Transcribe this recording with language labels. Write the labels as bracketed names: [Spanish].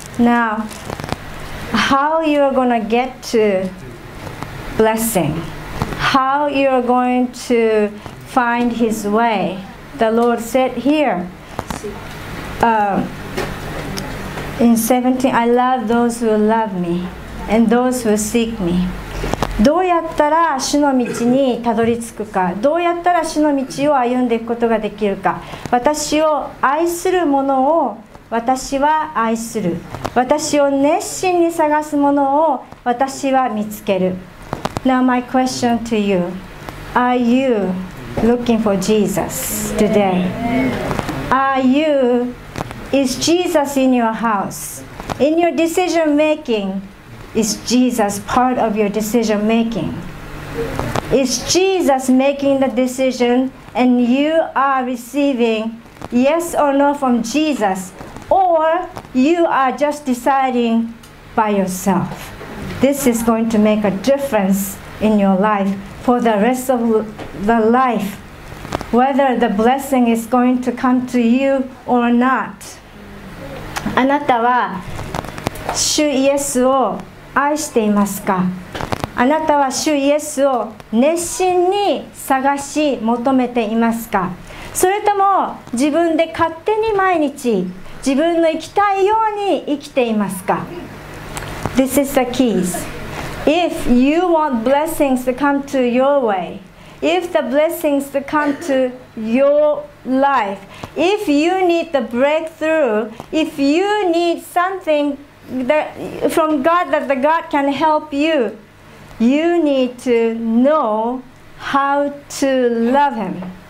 [English] Now, how you are going to get to blessing, how you are going to find his way, the Lord said here. In 17, I love those who love me and those who seek me. [Japanese] どうやったら主の道にたどり着くか、どうやったら主の道を歩んでいくことができるか。私を愛する者を私は愛する。私を熱心に探す者を私は見つける。 [English] Now my question to you: Are you looking for Jesus today? Are youIs Jesus in your house? In your decision making, is Jesus part of your decision making? Is Jesus making the decision and you are receiving yes or no from Jesus? Or you are just deciding by yourself? This is going to make a difference in your life for the rest of the life, whether the blessing is going to come to you or not. [Japanese] あなたは主イエスを愛していますか？あなたは主イエスを熱心に探し求めていますか？それとも自分で勝手に毎日自分の生きたいように生きていますか？ [English] This is the keys. If you want blessings to come to your way, if the blessings to come to your life,If you need the breakthrough, if you need something that, from God that the God can help you, you need to know how to love Him.